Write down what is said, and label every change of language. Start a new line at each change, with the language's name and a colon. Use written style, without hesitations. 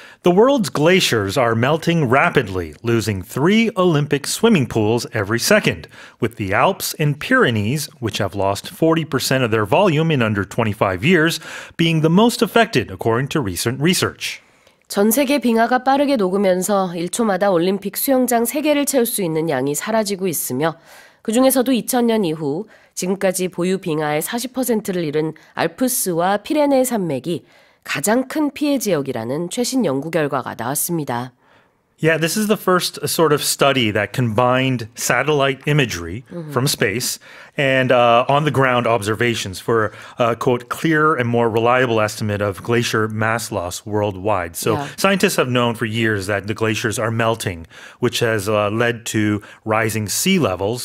English: The world's glaciers are melting rapidly, losing 3 Olympic swimming pools every second, with the Alps and Pyrenees, which have lost 40% of their volume in under 25 years, being the most affected, according to recent research.
Korean: 전 세계 빙하가 빠르게 녹으면서 1초마다 올림픽 수영장 3개를 채울 수 있는 양이 사라지고 있으며, 그 중에서도 2000년 이후 지금까지 보유 빙하의 40%를 잃은 알프스와 피레네 산맥이 가장 큰 피해 지역이라는 최신 연구 결과가 나왔습니다.
English: Yeah, this is the first sort of study that combined satellite imagery from space and on-the-ground observations for a, quote, clearer and more reliable estimate of glacier mass loss worldwide. So scientists have known for years that the glaciers are melting, which has led to rising sea levels.